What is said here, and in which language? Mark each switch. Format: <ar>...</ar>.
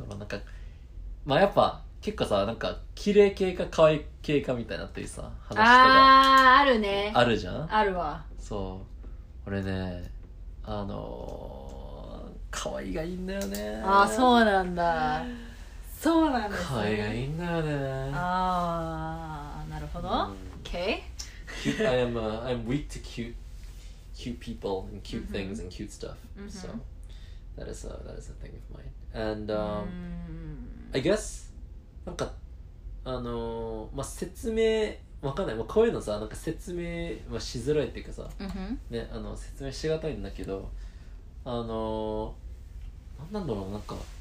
<ja>まあ、一番なんか、まあ、わかりやすいとか、150とか、まあ、そんぐらい、そんぐらい。そうそうそう。いや、がいいとかじゃなくて、なんか、まあ、そんぐらいでも、まあ、全然。あ、いいってこと。なるほど。いいって感じで。まあね、なんか、割と、まあ、そこは本当にね、まあ、どうでもよくて。で、なんだろう、なんかタイプって言ったら、やっぱ、これ、なんだろう、なんか、まあ、やっぱ、 結構さ、なんか綺麗系か可愛い系かみたいなってさ話したら、あるね、あるじゃん。あるわ。そう、俺ね、可愛いがいいんだよね。あ、そうなんだ。可愛いがいいんだよね。あ、なるほど。Okay.</ja> <en>I'm weak to cute people and cute things and cute stuff. So that is a thing of mine. And I guess</en> <ja>なんか、まあ、説明わかんない、まあ、こういうのさ、なんか説明はしづらいっていうかさ、何なんだろう、なんか</ja>